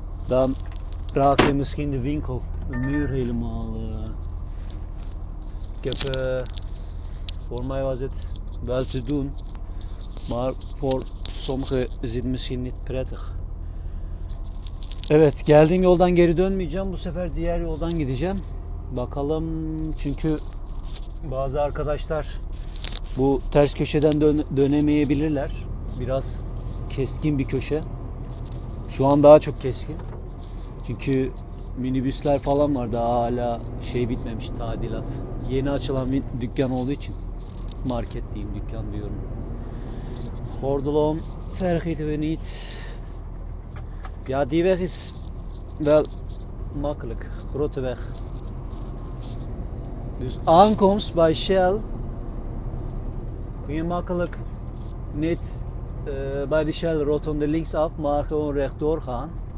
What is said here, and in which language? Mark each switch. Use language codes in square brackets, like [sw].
[nl] Dan raak je misschien de winkel, de muur helemaal. Ik heb voor mij was het wel te doen, maar voor sommigen is het misschien niet prettig. [tr] Evet, geldiğim yoldan geri dönmeyeceğim. Bu sefer diğer yoldan gideceğim. Bakalım, çünkü bazı arkadaşlar bu ters köşeden dönemeyebilirler. Biraz keskin bir köşe. Şu an daha çok keskin. Çünkü minibüsler falan var, daha hala şey bitmemiş, tadilat. Yeni açılan bir dükkan olduğu için, market diyeyim, dükkan diyorum. Gordelom, Ferhit ve Nit. [nl] Ja, die weg is wel makkelijk, grote weg. Dus aankomst bij Shell kun je makkelijk niet bij de Shell rotonde links af, maar gewoon rechtdoor gaan.